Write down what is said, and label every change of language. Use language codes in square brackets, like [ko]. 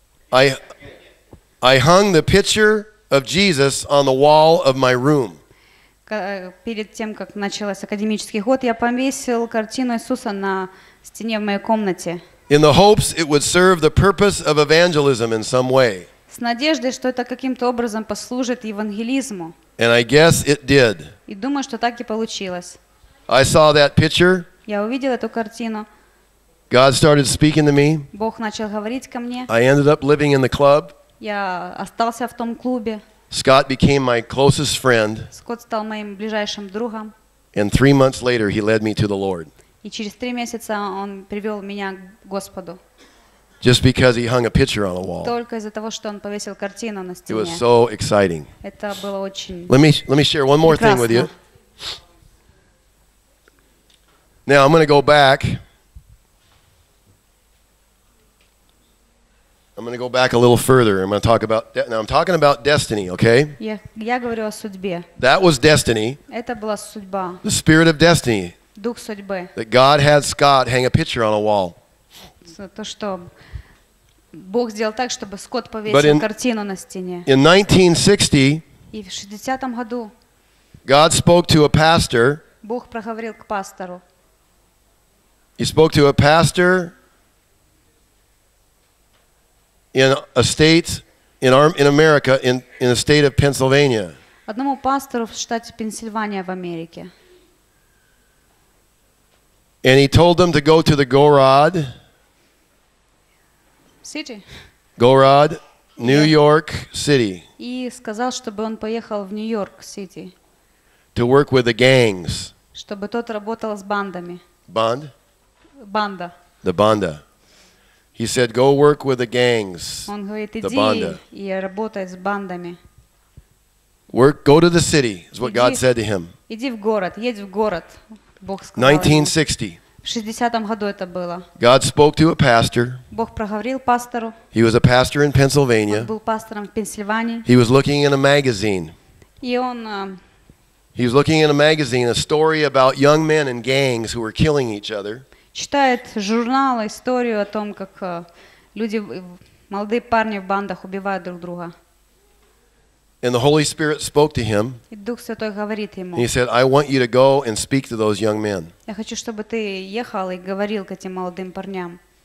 [en] I hung the picture of Jesus on the wall of my room. [ru] Перед тем, как начался академический год, я повесил картину Иисуса на стене в моей комнате. [en] In the hopes it would serve the purpose of evangelism in some way. [ru] С надеждой, что это каким-то образом послужит евангелизму. [en] And I guess it did. [ru] И думаю, что так и получилось. [en] I saw that picture. [ru] Я увидел эту картину. [en] God started speaking to me. [ru] Бог начал говорить ко мне. [en] I ended up living in the club. [ru] Я остался в том клубе. [en] Scott became my closest friend. [ru] Скотт стал моим ближайшим другом. [en] And 3 months later, he led me to the Lord. [ru] И через 3 месяца он привел меня к Господу. [en] Just because he hung a picture on a wall. [ru] Только из-за того, что он повесил картину на стене. [en] It was so exciting. [ru] Это было очень. [en] Let me share one more thing with you. Now I'm going to go back. I'm going to go back a little further. I'm going to talk about now. I'm talking about destiny, okay? [ru] Я говорю о судьбе. [en] That was destiny. [ru] Это была судьба. [en] The spirit of destiny. [ru] Дух судьбы. [en] That God had Scott hang a picture on a wall. [ru] То, что Бог сделал так, чтобы Скотт повесил картину на стене. [en] In 1960. [ru] И в 60-м году. [en] God spoke to a pastor. [ru] Бог проговорил к пастору. [en] He spoke to a pastor. In a state in America, in the state of Pennsylvania. [ru] Одному пастору в штате Пенсильвания в Америке. [en] And he told them to go to the Gorod. City. Gorod, New York City. [ru] И сказал, чтобы он поехал в Нью-Йорк Сити. [en] To work with the gangs. [ru] Чтобы тот работал с бандами. [en] Band. [ru] Банда. [en] The banda. He said, "Go work with the gangs." [ru] Он говорит, иди и работай с бандами. [en] Work, go to the city. Is what God said to him. [ru] Иди в город, едь в город. Бог сказал. [en] 1960. [ru] В 60-м году это было. [en] God spoke to a pastor. [ru] Бог проговорил пастору. [en] He was a pastor in Pennsylvania. [ru] Он был пастором в Пенсильвании. [en] He was looking in a magazine. [ru] И он. [en] He was looking in a magazine, a story about young men and gangs who were killing each other. [ru] Читает журнал историю о том, как люди, молодые парни в бандах убивают друг друга. [en] And the Holy Spirit spoke to him. [ru] И Дух Святой говорит ему. [en] He said, "I want you to go and speak to those young men." [ru] Я хочу, чтобы ты ехал и говорил к этим молодым парням.